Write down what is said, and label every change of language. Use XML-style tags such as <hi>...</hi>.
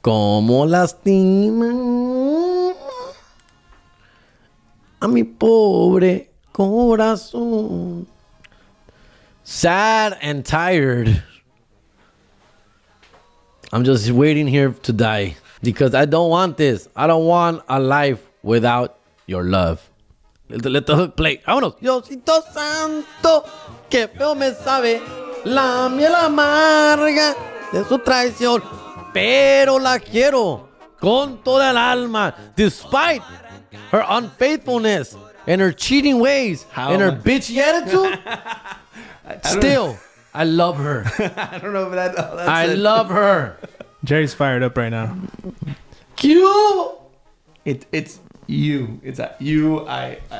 <es>Como lastiman a mi pobre corazón.</es> <en>Sad and tired. I'm just waiting here to die because I don't want this. I don't want a life without your love. Let the hook play.</en> <es>Vámonos. Diosito santo, que feo me sabe la miel amarga de su traición, pero la quiero con toda el alma.</es> <en>Despite her unfaithfulness and her cheating ways and her bitchy attitude, still, I love her. I don't know if that, that's I it. Love her. Jerry's fired up right now. Q! It's you. It's a you, I.</en>